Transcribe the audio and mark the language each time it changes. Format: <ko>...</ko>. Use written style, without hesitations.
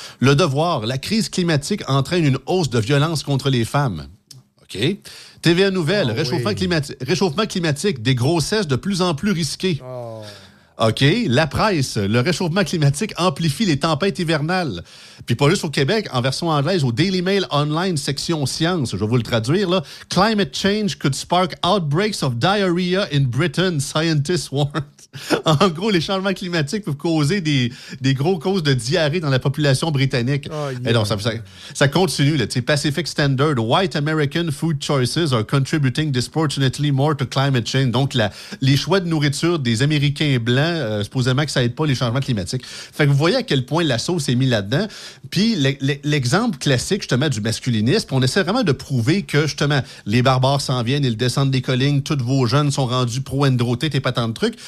<fr>Le Devoir, la crise climatique entraîne une hausse de violence contre les femmes. OK. TVA Nouvelles, réchauffement climatique, des grossesses de plus en plus risquées. OK, la presse, le réchauffement climatique amplifie les tempêtes hivernales. Puis pas juste au Québec, en version anglaise, au Daily Mail Online, section science, je vais vous le traduire, là.</fr> <en>Climate change could spark outbreaks of diarrhea in Britain, scientists warned.</en> <fr>En gros, les changements climatiques peuvent causer des gros causes de diarrhée dans la population britannique.</fr> <en>Oh, yeah.</en> <fr>Et donc, ça continue, là.</fr> <en>T'sais, Pacific Standard, white American food choices are contributing disproportionately more to climate change.</en> <fr>Donc, les choix de nourriture des Américains blancs, supposément que ça aide pas les changements climatiques. Fait que vous voyez à quel point la sauce est mise là-dedans. Puis l'exemple classique, justement, du masculinisme, on essaie vraiment de prouver que, justement, les barbares s'en viennent, ils descendent des collines, tous vos jeunes sont rendus pro-endrotés, t'es pas tant de trucs.</fr>